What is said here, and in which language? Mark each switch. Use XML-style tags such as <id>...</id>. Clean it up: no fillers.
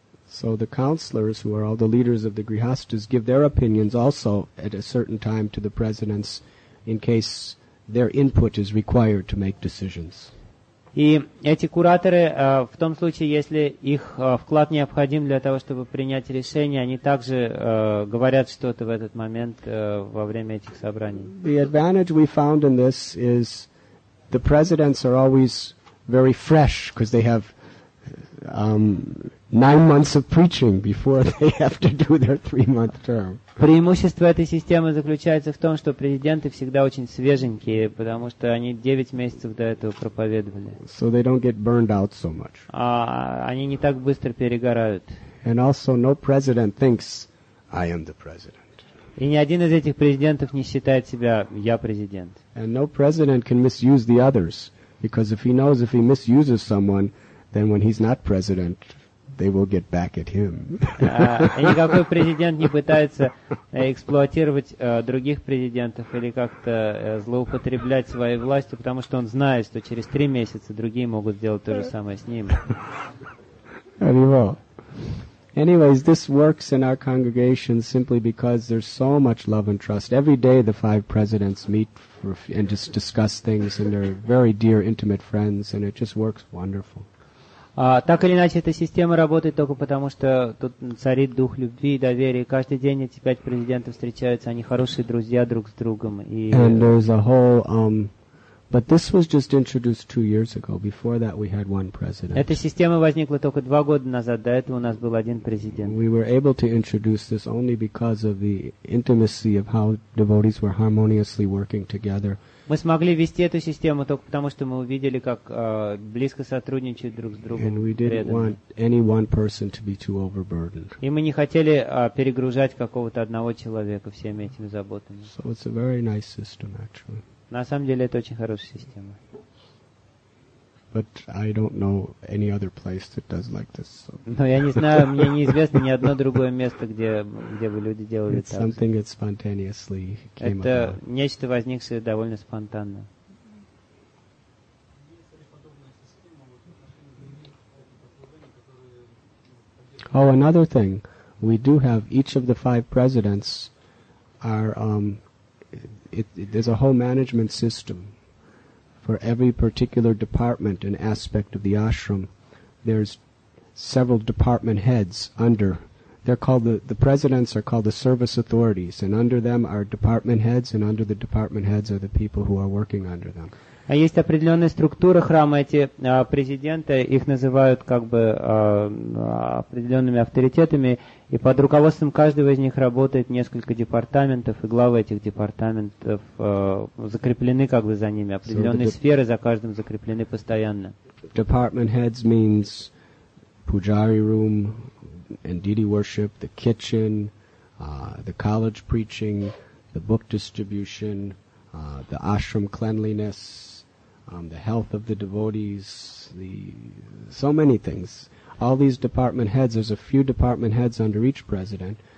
<en>So the counselors, who are all the leaders of the Grihasthas, give their opinions also at a certain time to the presidents in case their input is required to make decisions.</en> <ru>И эти кураторы, в том случае, если их вклад необходим для того, чтобы принять решение, они также говорят что-то в этот момент во время этих собраний.</ru> <en>The advantage we found in this is the presidents are always very fresh because they have 9 months of preaching before they have to do their 3-month term.</en> <ru>Преимущество этой системы заключается в том, что президенты всегда очень свеженькие, потому что они 9 месяцев до этого проповедовали.</ru> <en>So they don't get burned out so much.</en> <ru>Они не так быстро перегорают.</ru> <en>And also no president thinks I am the president.</en> <ru>И ни один из этих президентов не считает себя я президент.</ru> <en>And no president can misuse the others, because if he knows if he misuses someone, then when he's not president, they will get back at him.</en> <ru>Никакой президент не пытается эксплуатировать других президентов или как-то злоупотреблять своей властью, потому что он знает, что через 3 месяца другие могут сделать то же самое с ним.</ru> <en>Anyways, this works in our congregation simply because there's so much love and trust. Every day the 5 presidents meet and just discuss things, and they're very dear, intimate friends, and it just works wonderful.</en> <ru>Так или иначе, эта система работает только потому, что тут царит дух любви и доверия. Каждый день эти 5 президентов встречаются, они хорошие друзья друг с другом. И</ru> <en>and there's a whole, but this was just introduced 2 years ago. Before that, we had 1 president.</en> <ru>Эта система возникла только 2 года назад. До этого у нас был 1 президент.</ru> <en>We were able to introduce this only because of the intimacy of how devotees were harmoniously working together.</en> <ru>Мы смогли вести эту систему только потому, что мы увидели, как близко сотрудничают друг с другом.</ru> <en>And we didn't want any one person to be too overburdened.</en> <ru>И мы не хотели перегружать какого-то одного человека всеми этими заботами.</ru> <en>So it's a very nice system, actually.</en> <ru>На самом деле это очень хорошая система.</ru> <en>But I don't know any other place that does like this. So.</en> <ru>Но я не знаю, мне неизвестно ни одно другое место, где бы люди делали</ru> <en>it's</en> <ru>так.</ru> <en>Something that spontaneously came</en> <ru>это</ru> <en>about.</en> <ru>Нечто, возникшее довольно спонтанно.</ru> <en>Oh, another thing. We do have each of the 5 presidents are there's a whole management system. For every particular department and aspect of the ashram, there's several department heads under. They're called the presidents are called the service authorities, and under them are department heads, and under the department heads are the people who are working under them.</en> <ru>А есть определенная структура храма, эти президенты, их называют как бы определенными авторитетами, и под руководством каждого из них работает несколько департаментов, и главы этих департаментов закреплены как бы за ними, определенные сферы за каждым закреплены постоянно.</ru> <en>Department heads means pujari room and deity worship, the kitchen, the college preaching, the book distribution, the ashram cleanliness, the health of the devotees, so many things. All these department heads, there's a few department heads under each president,</en>